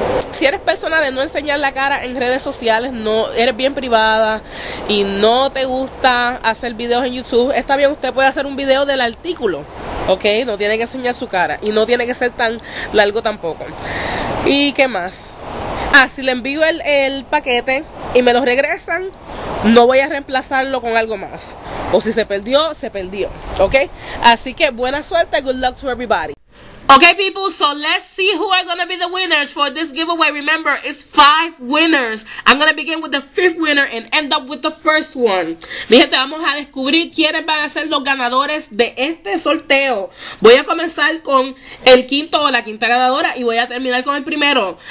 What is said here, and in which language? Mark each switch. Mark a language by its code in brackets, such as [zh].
[es] Si eres persona de no enseñar la cara en redes sociales, no eres bien privada y no te gusta hacer videos en YouTube, está bien, usted puede hacer un video del artículo. Ok, no tiene que enseñar su cara y no tiene que ser tan largo tampoco. ¿Y qué más? Si le envío el paquete y me lo regresan, no voy a reemplazarlo con algo más. O si se perdió, se perdió. Ok, así que buena suerte. [en] Good luck to everybody. Okay, people, so let's see who are going to be the winners for this giveaway. Remember, it's 5 winners. I'm going to begin with the 5th winner and end up with the first one. [es] Mi gente, vamos a descubrir quiénes van a ser los ganadores de este sorteo. Voy a comenzar con el quinto o la quinta ganadora y voy a terminar con el primero.